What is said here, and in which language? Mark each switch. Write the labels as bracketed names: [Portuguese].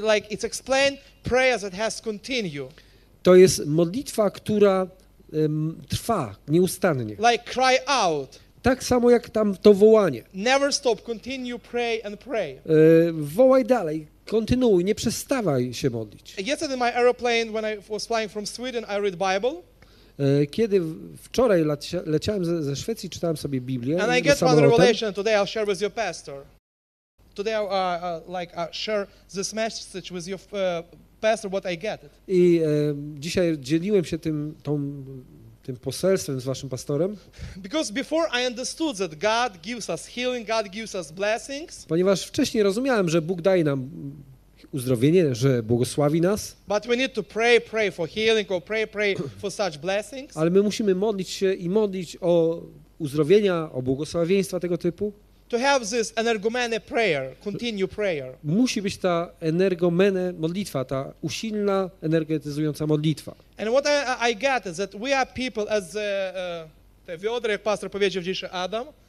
[English] It's explained prayer that has continue. [Polish] To jest modlitwa, która trwa nieustannie. [English] Like cry out. [Polish] Tak samo jak tam to wołanie. [English] Never stop, continue, pray and pray. [Polish] Wołaj dalej, kontynuuj, nie przestawaj się modlić. [English] Yesterday in my aeroplane when I was flying from Sweden, I read Bible. [Polish] Kiedy wczoraj leciałem ze Szwecji, czytałem sobie Biblię. [English] And I get one revelation today. I'll share with your pastor. Today I share this message with your pastor what I get. [Polish] I dzisiaj dzieliłem się tym poselstwem z waszym pastorem. [English] Because before I understood that God gives us healing, God gives us blessings. [Polish] Ponieważ wcześniej rozumiałem, że Bóg daje nam uzdrowienie, że błogosławi nas. [English] But we need to pray for healing or pray for such blessings. [Polish] Ale my musimy modlić się i modlić o uzdrowienia, o błogosławieństwa tego typu. [English] To have this energomene prayer, continue prayer. [Polish] Musi być ta energomene modlitwa, ta usilna, energetyzująca modlitwa. [English] And what I get is that we are people, as the Wiodra, [Polish] jak pastor powiedział dzisiaj, [English] Adam.